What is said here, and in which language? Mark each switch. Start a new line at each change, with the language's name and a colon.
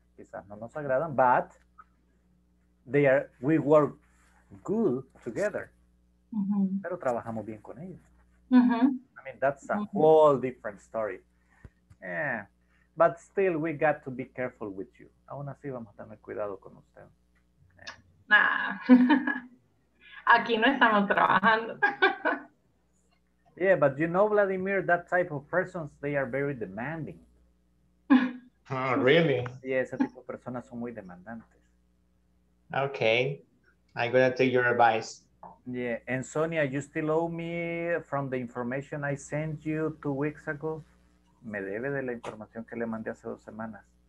Spanish: Quizás no nos agradan,
English: but we work good together. Mm-hmm.
Spanish: Pero trabajamos bien con ellos. Mm-hmm.
English: I mean, that's a whole different story. Yeah. But still, we got to be careful with you.
Spanish: Aún así, vamos a tener cuidado con usted. Nah. Aquí no estamos trabajando.
English: Yeah, but you know, Vladimir, that type of persons, they are very demanding. Oh, really?
Spanish: Yeah, ese tipo de personas son muy demandantes.
English: Okay. I'm going to take your advice. Yeah, and Sonia, you still owe me from the information I sent you 2 weeks ago.
Spanish: Me debe de la información que le mandé hace 2 semanas.